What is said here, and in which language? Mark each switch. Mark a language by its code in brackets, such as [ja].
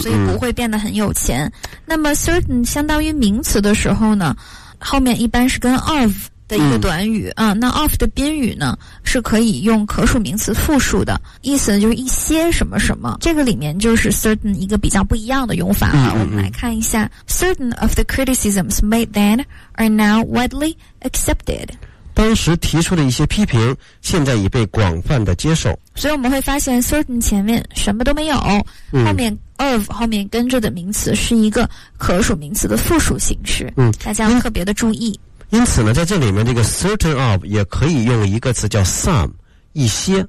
[zh] 所以不会变得很有钱、嗯、那么 certain 相当于名词的时候呢，后面一般是跟 of 的一个短语、嗯、啊，那 of 的宾语呢是可以用可数名词复数的，意思就是一些什么什么，这个里面就是 certain 一个比较不一样的用法、嗯、我们来看一下、嗯、 [en] certain of the criticisms made then are now widely accepted， [zh] 当时提出的一些批评现在已被广泛的接受。所以我们会发现 certain 前面什么都没有、嗯、后面 of 后面跟着的名词是一个可数名词的复数形式、嗯、大家要特别的注意。因此呢在这里面这个 certain of 也可以用一个词叫 some 一些，